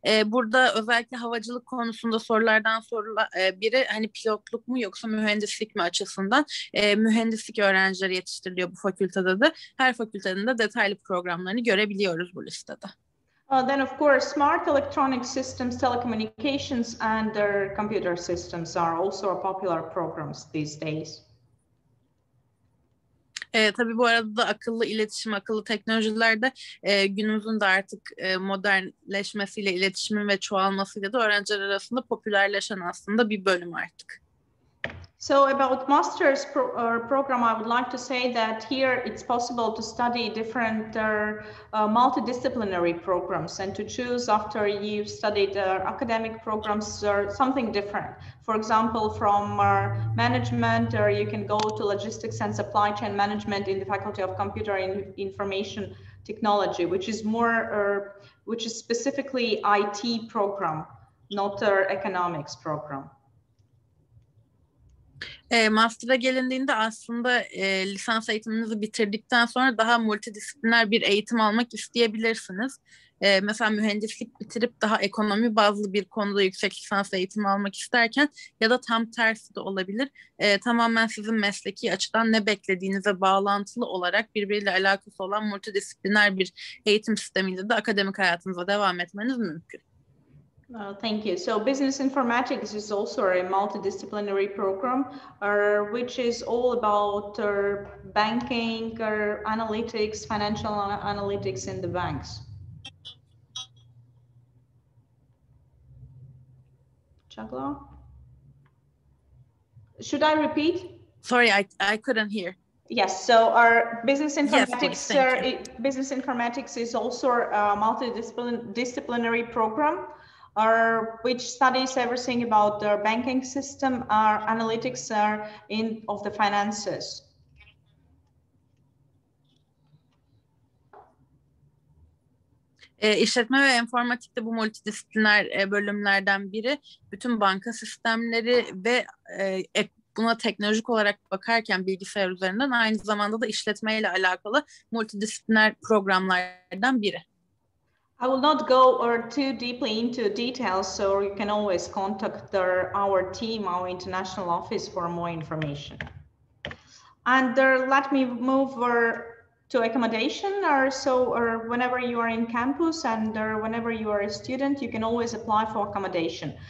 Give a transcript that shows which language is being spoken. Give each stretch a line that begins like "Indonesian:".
Turkish: Burada özellikle havacılık konusunda sorulardan biri hani pilotluk mu yoksa mühendislik mi açısından mühendislik öğrencileri yetiştiriliyor bu fakültede de. Her fakültenin de detaylı programlarını görebiliyoruz bu listede.
English: Then of course, smart electronic systems, telecommunications and their computer systems are also popular programs these days.
Turkish: Tabii bu arada da akıllı iletişim, akıllı teknolojiler de günümüzün de artık modernleşmesiyle iletişimin ve çoğalmasıyla da öğrenciler arasında popülerleşen aslında bir bölüm artık.
English: So about master's program, I would like to say that here it's possible to study different multidisciplinary programs and to choose after you've studied academic programs or something different. For example, from management, or you can go to logistics and supply chain management in the Faculty of Computer and Information Technology, which is more, which is specifically IT program, not economics program.
Turkish: Master'a gelindiğinde aslında lisans eğitiminizi bitirdikten sonra daha multidisipliner bir eğitim almak isteyebilirsiniz. Mesela mühendislik bitirip daha ekonomi bazlı bir konuda yüksek lisans eğitimi almak isterken ya da tam tersi de olabilir. Tamamen sizin mesleki açıdan ne beklediğinize bağlantılı olarak birbiriyle alakası olan multidisipliner bir eğitim sistemiyle de akademik hayatınıza devam etmeniz mümkün.
English: Thank you. So business informatics is also a multidisciplinary program, which is all about banking, analytics, financial analytics in the banks. Chaglo? Should I repeat? Sorry, I couldn't hear. Yes, so our business informatics, yes, business informatics is also a multidisciplinary program. Which studies everything about their banking system, our analytics are in of the finances.
Turkish: İşletme ve informatik de bu multidisipliner bölümlerden biri. Bütün banka sistemleri ve buna teknolojik olarak bakarken bilgisayar üzerinden aynı zamanda da işletmeyle alakalı multidisipliner programlardan biri.
English: I will not go too deeply into details, so you can always contact our team, our international office, for more information. And let me move to accommodation. Whenever you are in campus and whenever you are a student, you can always apply for accommodation.